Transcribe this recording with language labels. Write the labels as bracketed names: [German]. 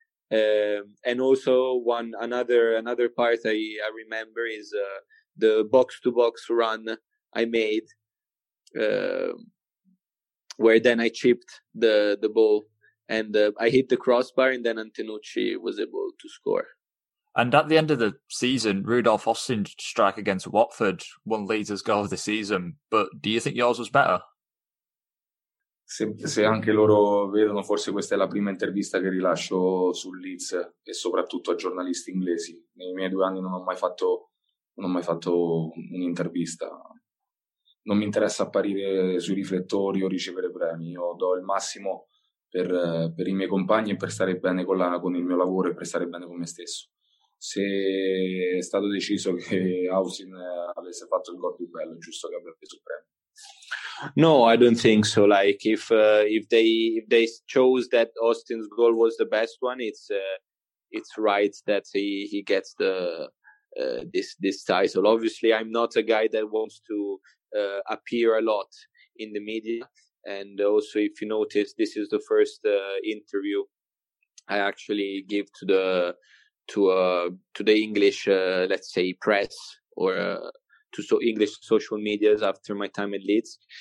[English] And also another part I remember is the box to box run I made, where then I chipped the ball and I hit the crossbar, and then Antenucci was able to score. And at the end of the season, Rudolf Ossing's strike against Watford won Leeds' goal of the season. But do you think yours was better? [Italian] Se anche loro vedono, forse questa è la prima intervista che rilascio sul Leeds e soprattutto a giornalisti inglesi. Nei miei due anni non ho mai fatto un'intervista. Non mi interessa apparire sui riflettori o ricevere premi. Io do il massimo per i miei compagni e per stare bene con il mio lavoro e per stare bene con me stesso. Se è stato deciso che Austin avesse fatto il gol più bello, giusto che abbia preso il premio. [English] No, I don't think so. Like if they chose that Austin's goal was the best one, it's right that he gets the this title. Obviously, I'm not a guy that wants to appear a lot in the media, and also if you notice, this is the first interview I actually give to the to the English, let's say, press or to English social medias after my time at Leeds.